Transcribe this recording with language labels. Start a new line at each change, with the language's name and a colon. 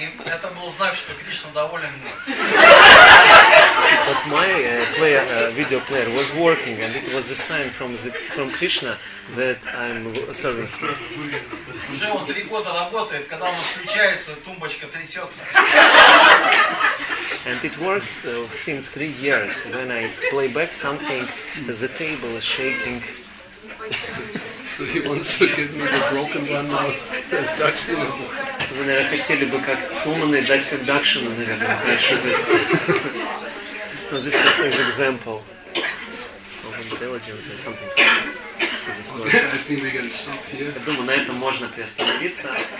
Russian: И это был знак, что Кришна доволен мной.
English: But my player, video player was working, and it was a sign from Krishna that I'm serving.
Russian: Уже он три года работает, когда он включается, тумбочка трясется.
English: And it works since 3 years. When I play back something, the table is shaking. So he wants to give me the broken one now. That's Dutch.
Russian: Вы, наверное, хотели бы как сломанный дать как Дакшину, наверное, хорошо.
English: This is an example of intelligence and something.
Russian: Я думаю, на этом можно приостановиться.